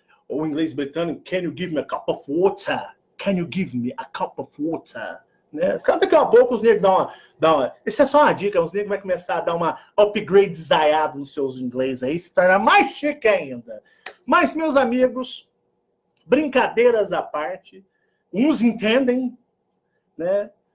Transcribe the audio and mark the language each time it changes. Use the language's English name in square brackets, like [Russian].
[Portuguese] Ou em inglês britânico, [English] can you give me a cup of water? Can you give me a cup of water? [Portuguese] Né? Daqui a pouco os negros dão uma... Isso é só uma dica, os negros vão começar a dar uma upgrade zaiado nos seus inglês aí, se tornar mais chique ainda. Mas, meus amigos, brincadeiras à parte, uns entendem, né?